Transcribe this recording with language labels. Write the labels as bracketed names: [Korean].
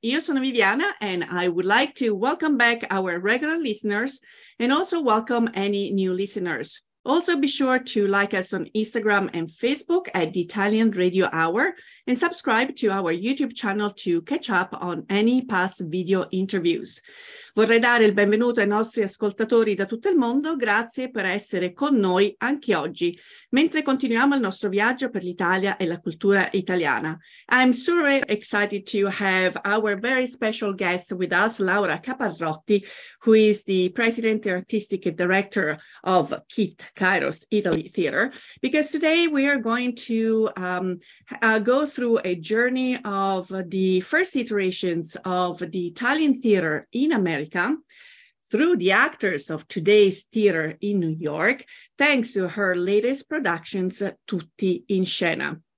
[Italian] Io sono Viviana [English] and I would like to welcome back our regular listeners and also welcome any new listeners. Also be sure to like us on Instagram and Facebook at the Italian Radio Hour and subscribe to our YouTube channel to catch up on any past video interviews. [Italian] Vorrei dare il benvenuto ai nostri ascoltatori da tutto il mondo, grazie per essere con noi anche oggi, mentre continuiamo il nostro viaggio per l'Italia e la cultura italiana. [English] I'm super excited to have our very special guest with us, Laura Caparrotti, who is the President and Artistic Director of KIT, Kairos Italy Theater, because today we are going to go through a journey of the first iterations of the Italian theater in America, through the actors of today's theater in New York, thanks to her latest productions, Tutti in Scena.